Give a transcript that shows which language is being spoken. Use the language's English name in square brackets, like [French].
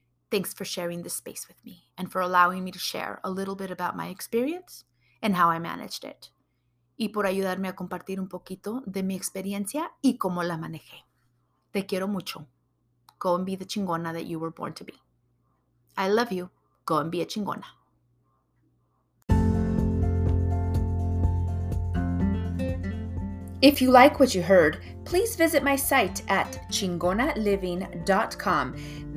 [English] Thanks for sharing this space with me and for allowing me to share a little bit about my experience and how I managed it. [Spanish] Y por ayudarme a compartir un poquito de mi experiencia y cómo la manejé. Te quiero mucho. [English] Go and be the chingona that you were born to be. I love you. Go and be a chingona. If you like what you heard, please visit my site at chingonaliving.com.